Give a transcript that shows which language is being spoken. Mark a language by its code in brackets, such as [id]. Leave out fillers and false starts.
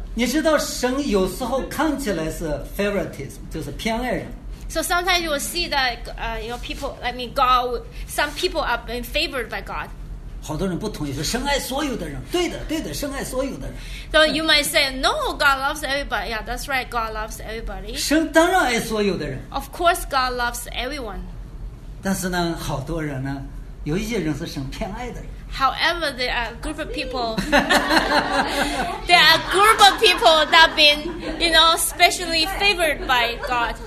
[zh] 你知道神有时候看起来是 favoritism, 就是偏爱人。 [en] So sometimes you will see that, you know, people, I mean, God, some people are being favored by God. [zh] 好多人不同意说深爱所有的人，对的，对的，深爱所有的人。 [en] So you might say, no, God loves everybody. Yeah, that's right. God loves everybody. [zh] 神当然爱所有的人。 [en] Of course, God loves everyone. [zh] 但是呢，好多人呢，有一些人是神偏爱的人。 [en] However, there are a group of people. there are a group of people that have been, you know, specially favored by God.